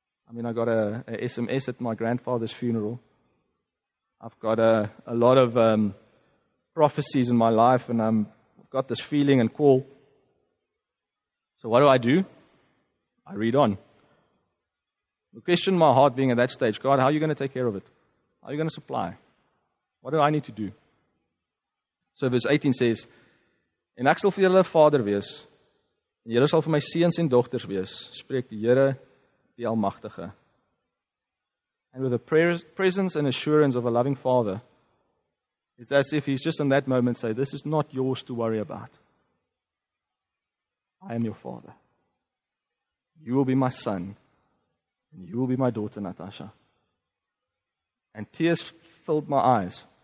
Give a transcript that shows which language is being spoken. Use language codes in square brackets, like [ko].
[en] I mean, I got a SMS at my grandfather's funeral. I've got a lot of prophecies in my life, and I've got this feeling and call. So what do? I read on. The question in my heart being at that stage, God, how are you going to take care of it? How are you going to supply? What do I need to do? So verse 18 says, [af] En ek sal vir julle vader wees, en julle sal vir my seuns en dogters wees, spreek die Here, die Almagtige. [en] And with the presence and assurance of a loving father, it's as if he's just in that moment say, this is not yours to worry about. I am your father. You will be my son. And you will be my daughter, Natasha. And tears filled my eyes.